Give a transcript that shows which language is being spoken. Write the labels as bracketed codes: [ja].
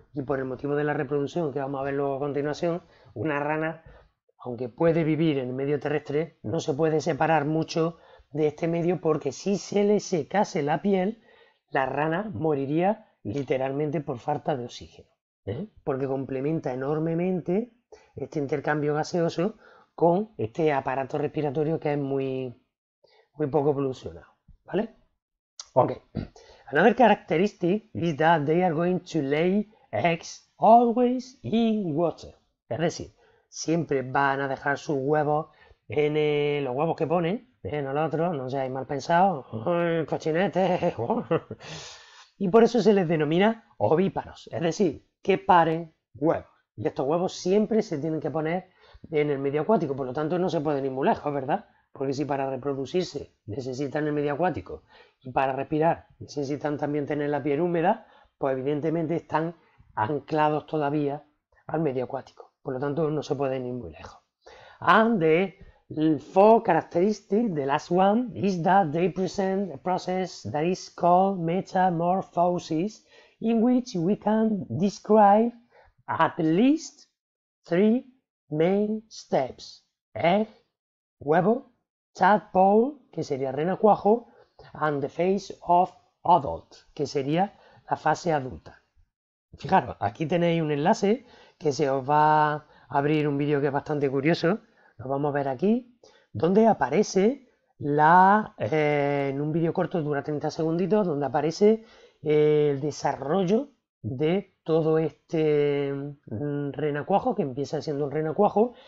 [es] Y por el motivo de la reproducción, que vamos a ver luego a continuación, una rana, aunque puede vivir en el medio terrestre, no se puede separar mucho de este medio, porque si se le secase la piel, la rana moriría literalmente por falta de oxígeno, porque complementa enormemente este intercambio gaseoso con este aparato respiratorio, que es muy, muy poco evolucionado, ¿vale? Ok. [en] Another characteristic is that they are going to lay eggs always in water. [es] Es decir, siempre van a dejar sus huevos en los huevos que ponen, en el otro, no seáis mal pensados, cochinete. Y por eso se les denomina ovíparos. Es decir, que paren huevos. Y estos huevos siempre se tienen que poner en el medio acuático, por lo tanto no se pueden ir muy lejos, ¿verdad? Porque si para reproducirse necesitan el medio acuático y para respirar necesitan también tener la piel húmeda, pues evidentemente están anclados todavía al medio acuático, por lo tanto no se pueden ir muy lejos. [en] And the fourth characteristic, the last one, is that they present a process that is called metamorphosis, in which we can describe at least three main steps: egg, huevo, tadpole, [es] que sería renacuajo, [en] and the phase of adult, [es] que sería la fase adulta. Fijaros, aquí tenéis un enlace que se os va a abrir un vídeo que es bastante curioso. Lo vamos a ver aquí, donde aparece en un vídeo corto, dura 30 segunditos, donde aparece el desarrollo de todo este renacuajo, que empieza siendo un renacuajo.